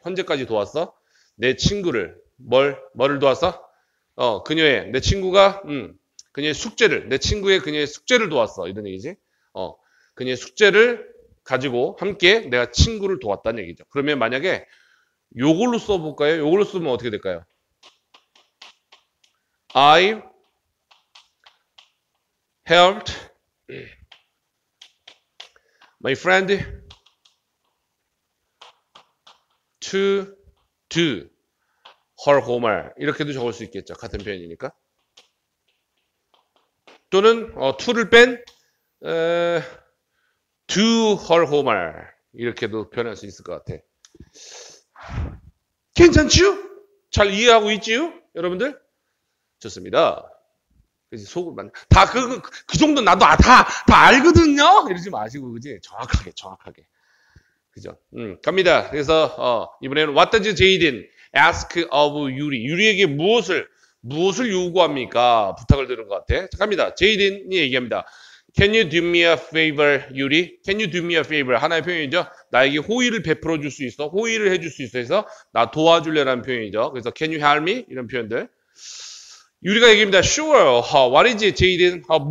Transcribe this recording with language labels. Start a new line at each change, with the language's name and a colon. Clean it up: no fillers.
Korean: 현재까지 도왔어. 내 친구를. 뭐를 도왔어? 그녀의. 내 친구가, 그녀의 숙제를, 내 친구의 그녀의 숙제를 도왔어. 이런 얘기지. 그녀의 숙제를 가지고 함께 내가 친구를 도왔다는 얘기죠. 그러면 만약에 요걸로 써볼까요? 요걸로 쓰면 어떻게 될까요?
English: I helped my friend to do her homework.
Korean: 이렇게도 적을 수 있겠죠. 같은 표현이니까. 또는 to를 뺀 do her homework 이렇게도 표현할 수 있을 것 같아. 괜찮지요? 잘 이해하고 있지요? 여러분들? 좋습니다. 그지 속을 만. 다그 정도 나도 다 알거든요. 이러지 마시고 그지 정확하게. 그죠? 갑니다. 그래서 이번에는
English: what does Jaden ask of Yuri?
Korean: 유리에게 무엇을 요구합니까? 부탁을 드는 것 같아. 갑니다. 제이든이 얘기합니다.
English: Can you do me a favor, 유리? Can you do me a favor?
Korean: 하나의 표현이죠. 나에게 호의를 베풀어 줄수 있어? 호의를 해줄 수 있어? 해서 나 도와줄래라는 표현이죠. 그래서
English: Can you help me?
Korean: 이런 표현들. 유리가 얘기합니다. Sure.
English: What is it, 제이든?